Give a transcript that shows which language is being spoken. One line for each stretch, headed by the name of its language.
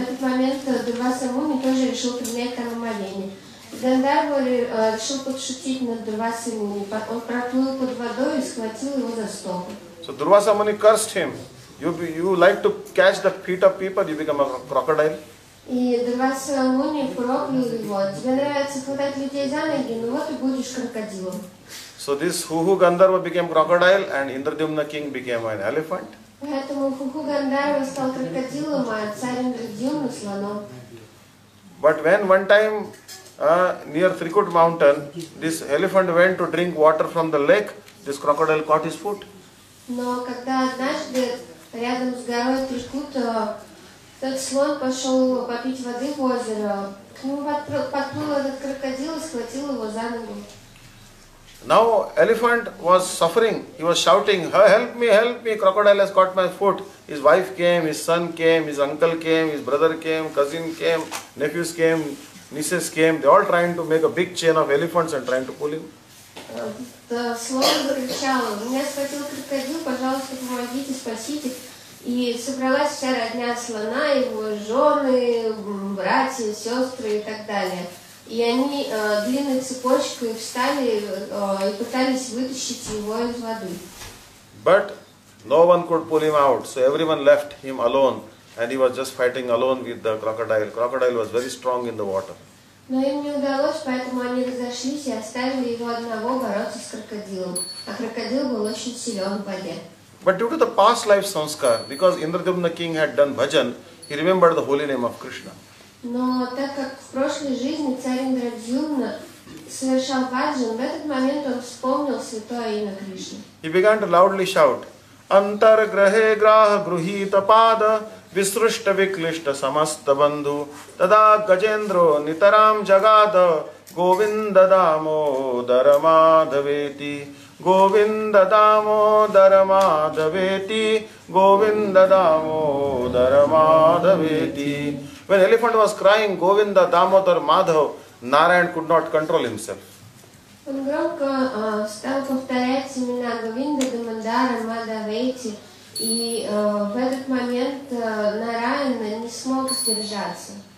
Russian: В этот момент Дурваса Муни тоже решил принять там омовение. Гандарва решил подшутить над Дурвасой Муни. Он проплыл под водой и схватил его за стопы.
English: So Durvasa Muni cursed him. You like to catch the feet of people, you become a crocodile.
Russian: И Дурваса Муни проклял его. Тебе нравится хватать людей за ноги, ну вот и будешь крокодилом.
English: So this Huhu Gandharva became crocodile and Indradyumna king became an elephant.
Russian: Поэтому Хуху Гандарва стал крокодилом, а царь Индрадюмна слоном.
English: But when one time near Trikut mountain, this elephant went to drink water from the lake, this crocodile caught his foot.
Russian: Но когда однажды рядом с горой Трикут Тот слон пошел попить воды в озеро. К нему подплыл этот крокодил и схватил его за ногу.
English: Now elephant was suffering. He was shouting, help me, crocodile has caught my foot. His wife came, his son came, his uncle came, his brother came, cousin came, nephews came, nieces came. They all trying to make a big chain of elephants and trying to pull him.
Russian: The слон закричал, меня схватил крокодил, пожалуйста, помогите, спасите. И собралась вся родня слона, его жены, братья, сестры и так далее. И они длинной цепочкой встали и пытались вытащить его из воды.
English: But no one could pull him out, so everyone left him alone, and he was just fighting alone with the crocodile. Crocodile was very strong in the water.
Russian: Но им не удалось, поэтому они разошлись и оставили его одного бороться с крокодилом. А крокодил был очень силен в воде.
English: But due to the past life samskar, because Indradyumna king had done bhajan, he remembered the holy name of Krishna.
Russian: Но так как в прошлой жизни царь Индрадьюмна совершал баджан, в этот момент он вспомнил святое имя Кришны.
English: He began to loudly shout,
Sanskrit: Antar grahe graha gruhita pada visrushta viklishta samasta bandhu tada gajendro nitaram jagada govinda damo dharamadhaveti govinda damo dharamadhaveti govinda damo dharamadhaveti.
English: When elephant was crying, Govinda, Damodar, Madhav, Narayan could not control himself.
Russian: Он громко стал повторять имена Говинда, Дамодара, Мадхавети, и в этот момент Нараян не смог сдержаться.